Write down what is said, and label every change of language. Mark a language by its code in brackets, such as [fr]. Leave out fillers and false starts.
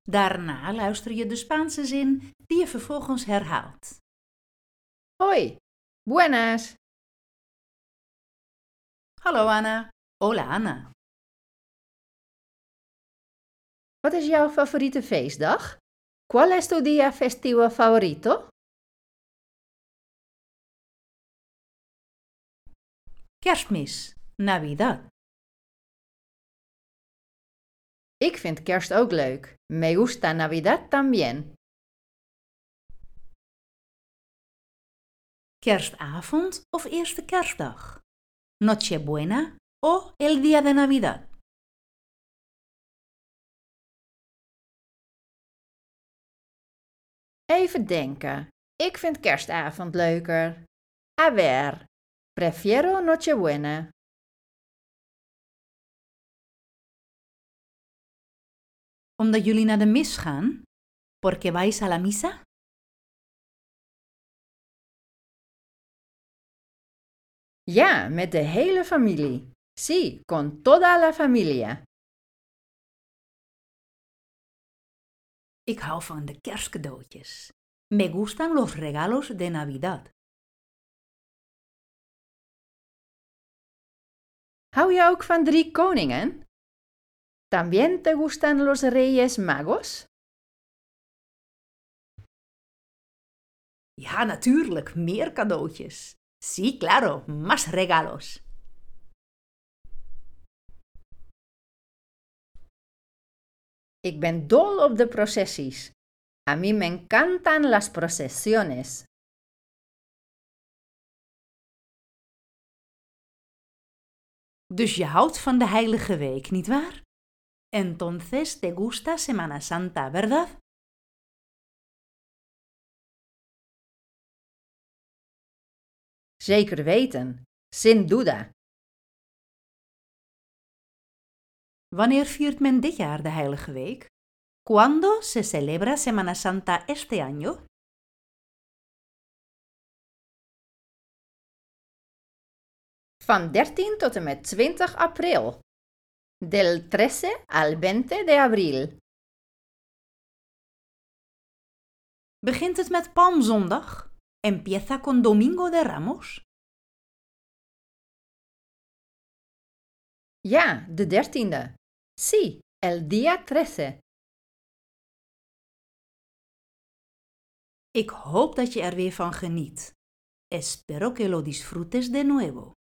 [nl] Daarna luister je de Spaanse zin die je vervolgens herhaalt. Hoi, [es] buenas. [nl] Hallo Ana. Hola Ana. Wat is jouw favoriete feestdag? [es] ¿Cuál es tu día festivo favorito? [nl] Kerstmis, Navidad. Ik vind kerst ook leuk. [es] Me gusta Navidad también. [nl] Kerstavond of eerste kerstdag? [es] Nochebuena o el día de Navidad? [nl] Even denken. Ik vind kerstavond leuker. [es] A ver. Prefiero Nochebuena. [nl] ¿Omdat jullie naar de mis gaan? [es] ¿Por qué vais a la misa? [nl] Ja, met de hele familie. [es] Sí, con toda la familia. [nl] Ik hou van de kerstcadeautjes. [es] Me gustan los regalos de Navidad. [nl] Hou je ook van drie koningen? [es] ¿También te gustan los reyes magos? [nl] Ja, natuurlijk, meer cadeautjes. [es] Sí, claro, más regalos. [nl] Ik ben dol op de processies. [es] A mí me encantan las procesiones. [nl] Dus je houdt van de Heilige Week, nietwaar? [es] Entonces te gusta Semana Santa, ¿verdad? [nl] Zeker weten, [es] sin duda. [nl] Wanneer viert men dit jaar de Heilige Week? [es] ¿Cuándo se celebra Semana Santa este año? [nl] Van 13 tot en met 20 april. [es] Del 13 al 20 de abril. [nl] Begint het met Palmzondag? [es] Empieza con Domingo de Ramos? [nl] Ja, de 13e. [es] Sí, el día 13. [nl] Ik hoop dat je er weer van geniet. [es] Espero que lo disfrutes de nuevo.